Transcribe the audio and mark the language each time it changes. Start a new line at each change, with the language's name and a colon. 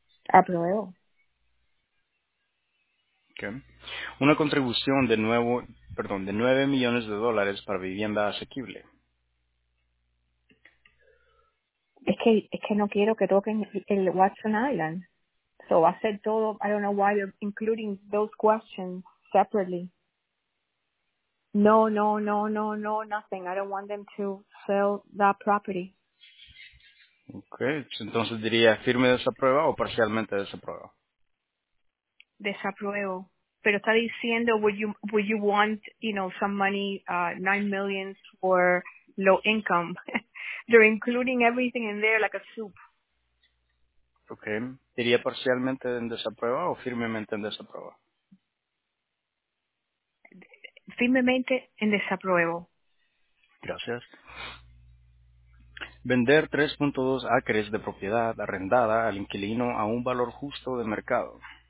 Spanish: Apruebo.
English: Okay.
Spanish: Una contribución de $9 millones para vivienda asequible. Es que no quiero que toquen el Watson Island.
English: So
Spanish: va a ser todo,
English: I don't know why you're including those questions separately. No, nothing. I don't want them to sell that property.
Spanish: Okay, entonces diría firme desaprueba o parcialmente desaprueba. desapruebo. Pero está diciendo,
English: would you want, you know, some money, $9 million for low income? They're including everything in there like a soup. Okay.
Spanish: ¿Diría parcialmente en desaprueba o firmemente en desaprueba? Firmemente en desapruebo. Gracias. Vender 3.2 acres de propiedad arrendada al inquilino a un valor justo de mercado.